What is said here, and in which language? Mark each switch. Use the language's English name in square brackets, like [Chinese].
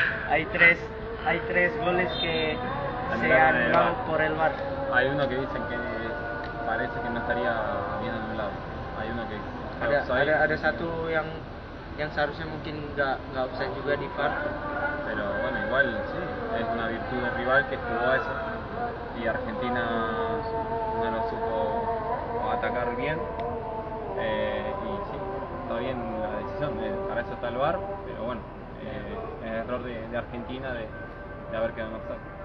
[Spanish] Hay tres goles que se han dado por el VAR. Hay uno que dicen que parece que no estaría bien anulado. Hay uno que [Indonesian] ada satu yang seharusnya mungkin enggak offside juga di VAR. [Spanish] Pero bueno, igual sí, es una virtud del rival que jugó eso y Argentina no lo supo atacar bien y sí, está bien la decisión, para eso está el VAR, pero bueno, es error de Argentina de haber quedado en offside.